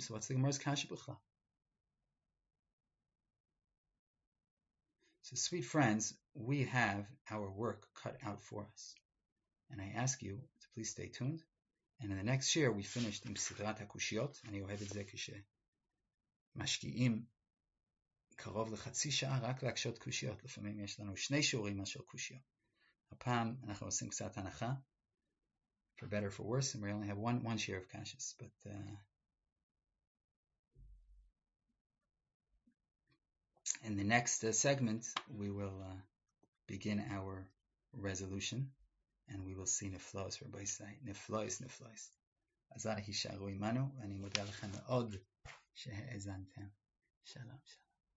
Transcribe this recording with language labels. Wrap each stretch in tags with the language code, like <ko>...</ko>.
<en>So what's the Gemara's Kasha B'chla? So sweet friends, we have our work cut out for us. And I ask you to please stay tuned. And in the next year, we finished in Sidrat HaKushiyot, and you have it Zekushe.</en> <he>משקיעים קרוב לחצי שעה רק להקשות קושיות. לפעמים יש לנו שני שיעורים מאשר קושיות. הפעם אנחנו עושים קצת הנחה.</he> <en>For better or for worse, and we only have one share of cashes. But in the next segment, we will begin our resolution, and we will see Niflois for Baisai. Niflois, Niflois.</en> <he>Azar hisharu imanu, ואני מודה לכם מאוד. שהאזנתם. שלום, שלום.</he>